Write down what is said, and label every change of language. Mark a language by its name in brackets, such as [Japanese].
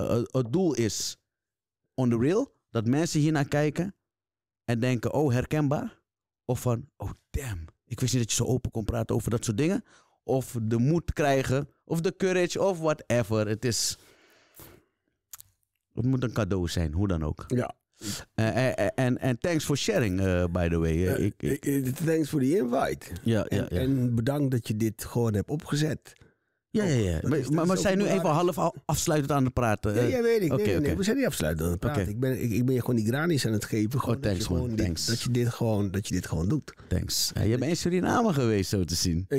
[Dutch] Het doel is [English] on the real, [Dutch] dat mensen hiernaar kijken en denken, oh herkenbaar, of van, oh damn, ik wist niet dat je zo open kon praten over dat soort dingen, of de moed krijgen, of de courage, of whatever. Het moet een cadeau zijn, hoe dan ook. Ja. [English] En thanks for sharing, by the way. Thanks for the invite. [Dutch] Ja. En bedankt dat je dit gewoon hebt opgezet. Ja. Maar we zijn nu even half afsluitend aan het praten. Ja, weet ik. Nee, we zijn niet afsluitend aan het praten. Okay. Ik ben je gewoon die granis aan het geven. Dat je dit gewoon doet. [English] Thanks. [Dutch] Ja, je bent in Suriname geweest, zo te zien.